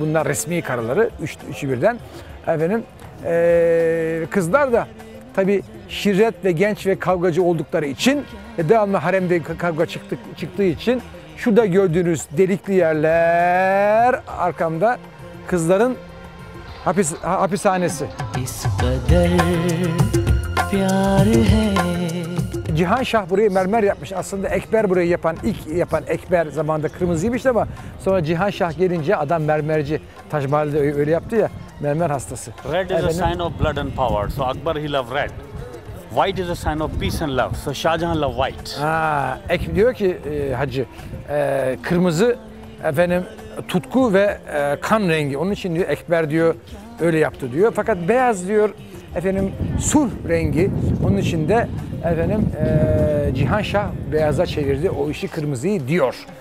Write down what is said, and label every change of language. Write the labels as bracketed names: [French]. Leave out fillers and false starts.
[Turkish] Bunlar resmi karıları, 3'ü birden. Efendim, kızlar da tabii şirret ve genç ve kavgacı oldukları için devamlı haremde kavga çıktığı için şurada gördüğünüz delikli yerler arkamda kızların hapishanesi. Cihan Şah burayı mermer yapmış. Aslında Ekber burayı yapan, ilk yapan Ekber zamanında kırmızıymış ama sonra Cihan Şah gelince adam mermerci, Taj Mahal'de öyle yaptı ya, mermer hastası. [English] Red is [Turkish] efendim, [English] a sign of blood and power. So Akbar he loved red. White is a sign of peace and love. So Shah Jahan loved white. [Turkish] Diyor ki hacı, kırmızı efendim tutku ve kan rengi. Onun için diyor Ekber diyor öyle yaptı diyor. Fakat beyaz diyor efendim sulh rengi. Onun için de efendim Cihan Şah beyaza çevirdi o işi kırmızıyı diyor.